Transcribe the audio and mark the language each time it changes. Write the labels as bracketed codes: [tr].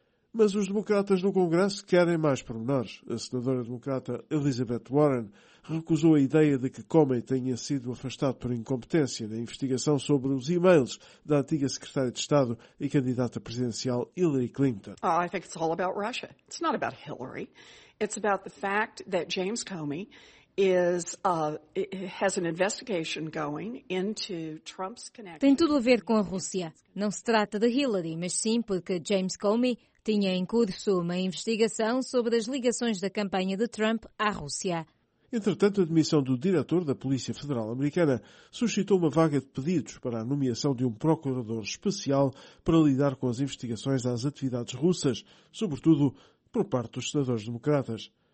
[pt] Mas os democratas no Congresso querem mais pormenores. A senadora democrata Elizabeth Warren recusou a ideia de que Comey tenha sido afastado por incompetência na investigação sobre os e-mails da antiga secretária de Estado e candidata presidencial Hillary Clinton. [en] I think it's all about Russia. It's not about Hillary. It's about the fact that James Comey has an investigation going into Trump's connection. [pt] Tem tudo a ver com a Rússia. Não se trata de Hillary, mas sim porque James Comey tinha em curso uma investigação sobre as ligações da campanha de Trump à Rússia. Entretanto, a demissão do diretor da Polícia Federal Americana suscitou uma vaga de pedidos para a nomeação de um procurador especial para lidar com as investigações às atividades russas, sobretudo por parte dos senadores democratas.